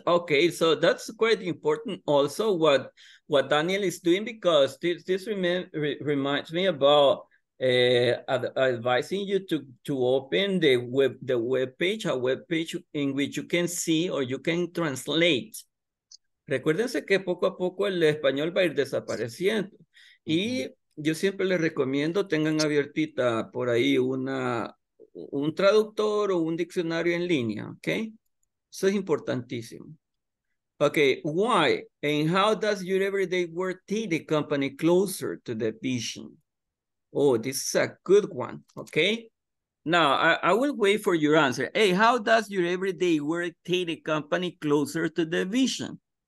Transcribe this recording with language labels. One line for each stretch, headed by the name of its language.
English: Okay, so that's quite important also what Daniel is doing, because this reminds me about advising you to open a web page in which you can see or you can translate.
Spanish: Recuérdense que poco a poco el español va a ir desapareciendo. Y yo siempre les recomiendo tengan abiertita por ahí un traductor o un diccionario en línea, okay? Eso es importantísimo.
English: Okay, why and how does your everyday work take the company closer to the vision? Oh, this is a good one, okay? Now, I will wait for your answer. Hey, how does your everyday work take the company closer to the vision?